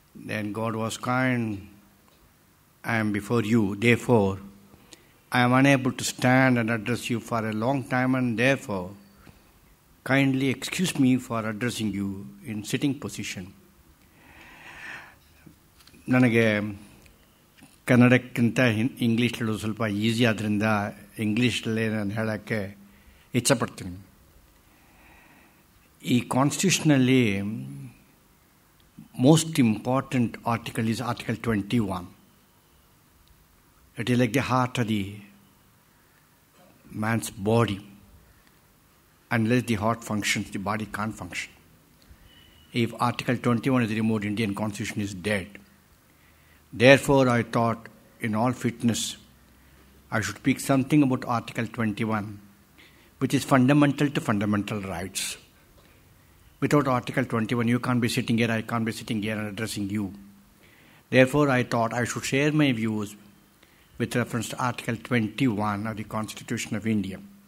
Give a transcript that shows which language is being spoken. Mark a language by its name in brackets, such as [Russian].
[English] Then God was kind. I am before you, therefore, I am unable to stand and address you for a long time, and therefore, kindly excuse me for addressing you in sitting position. [Kannada] ನನಗೆ ಕನ್ನಡಕ್ಕಿಂತ English ಹೇಳೋದು ಸ್ವಲ್ಪ easy, ಆದ್ದರಿಂದ ಇಂಗ್ಲೀಷಲ್ಲೇ ನಾನು ಹೇಳೋಕ್ಕೆ ಇಚ್ಛಪಡ್ತೀನಿ. [English] ಈ ಕಾನ್ಸ್ಟಿಟ್ಯೂಷನಲ್ಲಿ most important article is article 21. It is like the heart of the man's body. Unless the heart functions, the body can function. If article 21 is removed, Indian constitution is dead. Therefore, I thought, in all fitness, I should speak something about Article 21, which is fundamental to fundamental rights. Without Article 21, you can't be sitting here, I can't be sitting here and addressing you. Therefore, I thought I should share my views with reference to Article 21 of the Constitution of India.